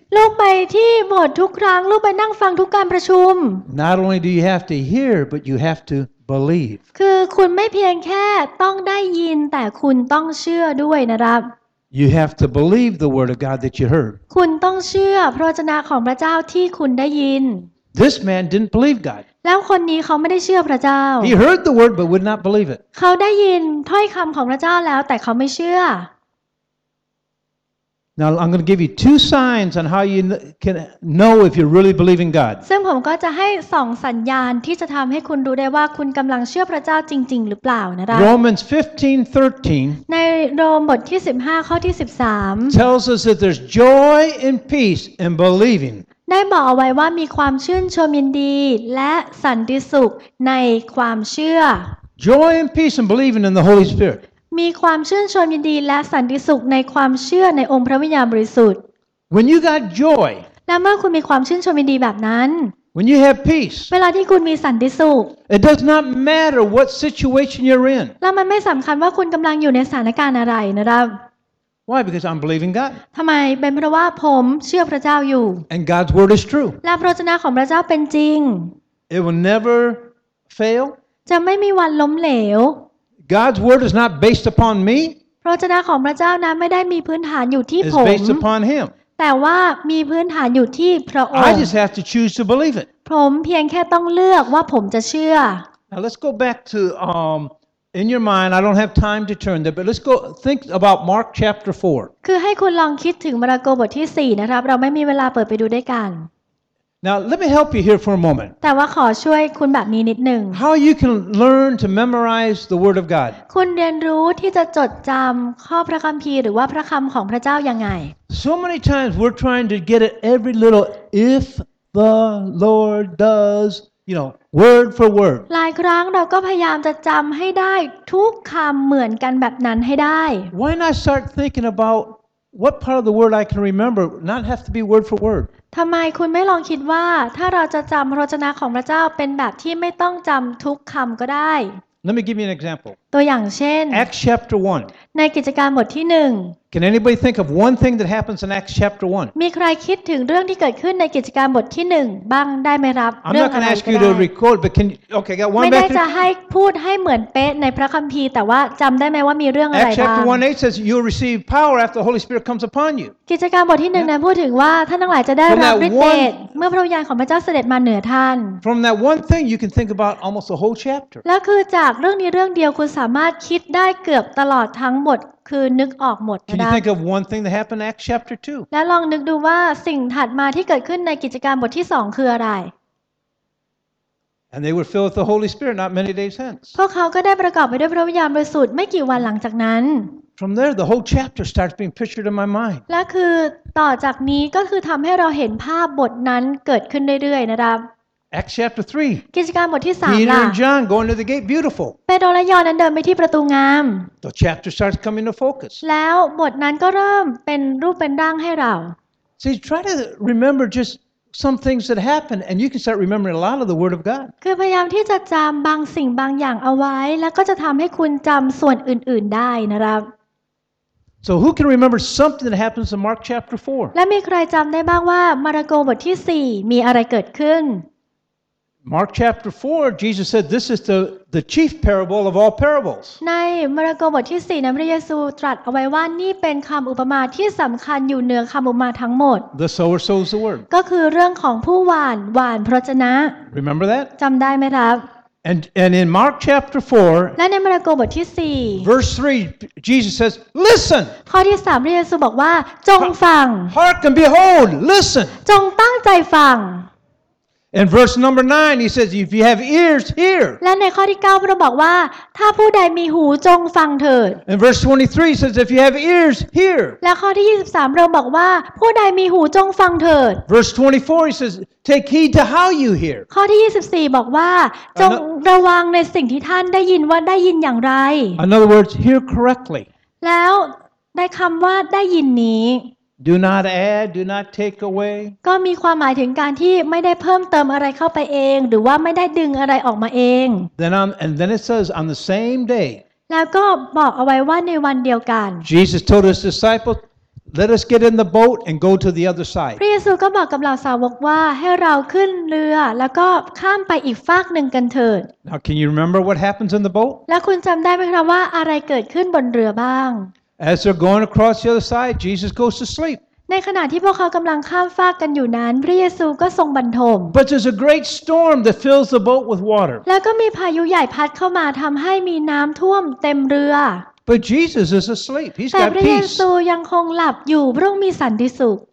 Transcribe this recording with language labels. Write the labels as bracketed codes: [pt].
[th] ลูกไปที่โบสถ์ทุกครั้งลูกไปนั่งฟังทุกการประชุม [en] Not only do you have to hear, but you have to believe. [th] คือคุณไม่เพียงแค่ต้องได้ยินแต่คุณต้องเชื่อด้วยนะครับ [en] You have to believe the word of God that you heard. [th] คุณต้องเชื่อพระวจนะของพระเจ้าที่คุณได้ยิน [en] This man didn't believe God. [th] แล้วคนนี้เขาไม่ได้เชื่อพระเจ้า [en] He heard the word but would not believe it. [th] เขาได้ยินถ้อยคำของพระเจ้าแล้วแต่เขาไม่เชื่อ [en] Now I'm going to give you two signs on how you can know if you're really believing God. [th] ซึ่งผมก็จะให้สองสัญญาณที่จะทำให้คุณรู้ได้ว่าคุณกำลังเชื่อพระเจ้าจริงๆหรือเปล่านะครับ [en] Romans 15:13. [th] ในโรมบทที่15ข้อที่13 [en] tells us that there's joy and peace in believing. [th] ได้บอกเอาไว้ว่ามีความชื่นชมยินดีและสันติสุขในความเชื่อ [en] Joy and peace and believing in the Holy Spirit [th] มีความชื่นชมยินดีและสันติสุขในความเชื่อในองค์พระวิญญาณบริสุทธิ์ [en] When you got joy [th] และเมื่อคุณมีความชื่นชมยินดีแบบนั้น [en] When you have peace [th] เวลาที่คุณมีสันติสุข [en] It does not matter what situation you're in [th] และมันไม่สำคัญว่าคุณกำลังอยู่ในสถานการณ์อะไรนะครับ [en] Why? Because I'm believing God. [th] ทำไมเป็นเพราะว่าผมเชื่อพระเจ้าอยู่ [en] And God's word is true. [th] และพระวจนะของพระเจ้าเป็นจริง [en] It will never fail. [th] จะไม่มีวันล้มเหลว [en] God's word is not based upon me. [th] พระวจนะของพระเจ้านั้นไม่ได้มีพื้นฐานอยู่ที่ผม [en] It's based upon Him. [th] แต่ว่ามีพื้นฐานอยู่ที่พระองค์ [en] I just have to choose to believe it. [th] ผมเพียงแค่ต้องเลือกว่าผมจะเชื่อ [en] Now let's go back to In your mind, I don't have time to turn there, but let's go think about Mark chapter 4. [th] คือให้คุณลองคิดถึงมาระโกบทที่4นะครับเราไม่มีเวลาเปิดไปดูด้วยกัน [en] Now, let me help you here for a moment. [th] แต่ว่าขอช่วยคุณแบบนี้นิดนึง [en] How you can learn to memorize the word of God. [th] คุณเรียนรู้ที่จะจดจำข้อพระคัมภีร์หรือว่าพระคำของพระเจ้ายังไง [en] So many times we're trying to get it every little if the Lord does. You know, word for word. [th] หลายครั้งเราก็พยายามจะจำให้ได้ทุกคำเหมือนกันแบบนั้นให้ได้ [en] Why not start thinking about what part of the word I can remember, not have to be word for word? [th] ทำไมคุณไม่ลองคิดว่าถ้าเราจะจำพระวจนะของพระเจ้าเป็นแบบที่ไม่ต้องจำทุกคำก็ได้ [en] Let me give you an example. [th] ตัวอย่างเช่น [en] Acts chapter 1. [th] ในกิจการบทที่หนึ่ง [en] Can anybody think of one thing that happens in Acts chapter 1? [th] มีใครคิดถึงเรื่องที่เกิดขึ้นในกิจการบทที่หนึ่งบ้างได้ไหมครับเรื่อง อะไรก็ได้ [en] I'm not going to ask you to record, but can you, okay, got one back. [th] ไม่ได้จะให้พูดให้เหมือนเป๊ะในพระคัมภีร์แต่ว่าจำได้ไหมว่ามีเรื่องอะไรบ้าง [en] Acts chapter 1:8 says you'll receive power after the Holy Spirit comes upon you. [th] กิจการบทที่หนึ่งนั้นพูดถึงว่าท่านทั้งหลายจะได้รับฤทธิ์เดชเมื่อพระวิญญาณของพระเจ้าเสด็จมาเหนือท่าน [en] From that one thing, you can think about almost the whole chapter. [th] แล้วคือจากเรื่องนี้เรื่องเดียวคุณสามารถคิดได้เกือบตลอดทั้งหมดคือนึกออกหมดนะครับ [en] Can you think of one thing that happened in Acts chapter 2? [th] แล้วลองนึกดูว่าสิ่งถัดมาที่เกิดขึ้นในกิจการบทที่2คืออะไร [en] And they were filled with the Holy Spirit not many days hence. [th] พวกเขาก็ได้ประกอบไปด้วยพระวิญญาณบริสุทธิ์ไม่กี่วันหลังจากนั้น [en] From there the whole chapter starts being pictured in my mind. [th] และคือต่อจากนี้ก็คือทำให้เราเห็นภาพบทนั้นเกิดขึ้นเรื่อยๆนะครับ [en] Acts chapter 3. [th] กิจการบทที่3 [en] Peter and John going to the gate, beautiful. [th] เปโตรและยอห์นนั้นเดินไปที่ประตูงาม [en] The chapter starts coming to focus. [th] แล้วบทนั้นก็เริ่มเป็นรูปเป็นร่างให้เรา [en] See, try to remember just some things that happened, and you can start remembering a lot of the Word of God. [th] คือพยายามที่จะจำบางสิ่งบางอย่างเอาไว้แล้วก็จะทำให้คุณจำส่วนอื่นๆได้นะครับ [en] So who can remember something that happens in Mark chapter 4? [th] และมีใครจำได้บ้างว่ามาระโกบทที่4มีอะไรเกิดขึ้น [en] Mark chapter 4, Jesus said, "This is the chief parable of all parables." [th] ในมาระโกบทที่4นั้นพระเยซูตรัสเอาไว้ว่านี่เป็นคำอุปมาที่สำคัญอยู่เหนือคำอุปมาทั้งหมด [en] The sower sows the word. [th] ก็คือเรื่องของผู้หว่านหว่านพระวจนะ [en] Remember that? [th] จำได้ไหมครับ [en] And in Mark chapter 4, [th] และในมาระโกบทที่4 [en] verse 3, Jesus says, "Listen." [th] ข้อที่3พระเยซูบอกว่าจงฟัง [en] Hark and behold, listen. [th] จงตั้งใจฟัง [en] And verse number 9 he says if you have ears hear. [th] และในข้อที่9พระองค์บอกว่าถ้าผู้ใดมีหูจงฟังเถิด [en] And verse 23 says if you have ears hear. [th] และข้อที่23พระองค์บอกว่าผู้ใดมีหูจงฟังเถิด [en] Verse 24 he says take heed to how you hear. [th] ข้อที่24บอกว่าจงระวังในสิ่งที่ท่านได้ยินว่าได้ยินอย่างไร [en] In other words hear correctly. [th] แล้วได้คำว่าได้ยินนี้ [en] Do not add, do not take away. [th] ก็มีความหมายถึงการที่ไม่ได้เพิ่มเติมอะไรเข้าไปเองหรือว่าไม่ได้ดึงอะไรออกมาเอง [en] Then it says on the same day. [th] แล้วก็บอกเอาไว้ว่าในวันเดียวกัน [en] Jesus told his disciples, "Let us get in the boat and go to the other side." [th] พระเยซูก็บอกกับเหล่าสาวกว่าให้เราขึ้นเรือแล้วก็ข้ามไปอีกฟากหนึ่งกันเถิด [en] Now, can you remember what happens in the boat? [th] แล้วคุณจำได้ไหมครับว่าอะไรเกิดขึ้นบนเรือบ้าง [en] As they're going across the other side, Jesus goes to sleep. [th] ในขณะที่พวกเขากำลังข้ามฟากกันอยู่นั้นพระเยซูก็ทรงบรรทม [en] But there's a great storm that fills the boat with water. [th] แล้วก็มีพายุใหญ่พัดเข้ามาทำให้มีน้ำท่วมเต็มเรือ [en] But Jesus is asleep. He's got peace. [th] แต่พระเยซูยังคงหลับอยู่พระองค์มีสันติสุข